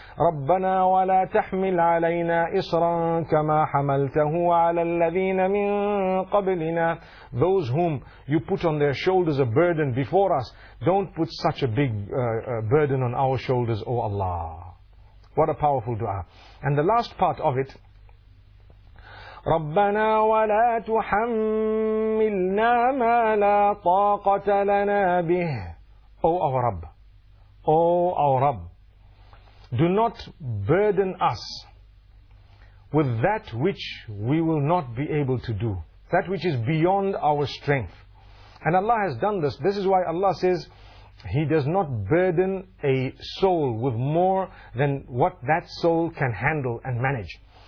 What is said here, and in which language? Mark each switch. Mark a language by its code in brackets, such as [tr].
[ar] رَبَّنَا وَلَا تَحْمِلْ عَلَيْنَا إِصْرًا كَمَا حَمَلْتَهُ عَلَى الَّذِينَ مِنْ قَبْلِنَا. [en] Those whom you put on their shoulders a burden before us, don't put such a big burden on our shoulders, O Allah. What a powerful dua. And the last part of it, [ar] رَبَّنَا وَلَا تُحَمِّلْنَا مَا لَا طَاقَةَ لَنَا بِهِ. [en] O our Rabb, O our Rabb, do not burden us with that which we will not be able to do, that which is beyond our strength. And Allah has done this. This is why Allah says He does not burden a soul with more than what that soul can handle and manage.